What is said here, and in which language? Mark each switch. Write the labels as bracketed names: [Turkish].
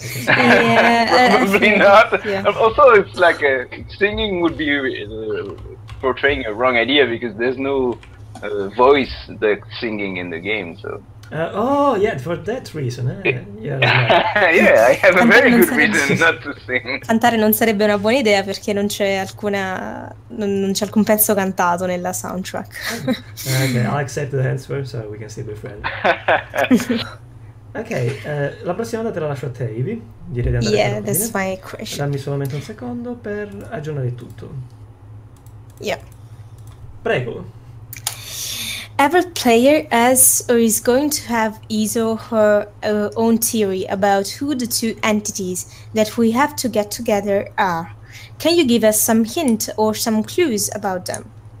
[English] he's probably not. Yeah. Also, it's like singing would be portraying a wrong idea because there's no voice that's singing in the game, so. Oh, yeah, for that reason. Yeah, I have a very good reason not to sing. [Italian] Cantare non sarebbe una buona idea perché non c'è alcuna. Non c'è alcun pezzo cantato nella soundtrack. [English] Okay, I'll accept the answer so we can still be friends. [Italian] Okay, la prossima te la lascio a te, Ivy. Direi di andare [English] yeah, that's my question. [Italian] Dammi solamente un secondo per aggiornare tutto. [English] Yeah. [Italian] Prego. [English] Every player has or is going to have his or her own theory about who the two entities that we have to get together are. Can you give us some hint or some clues about them?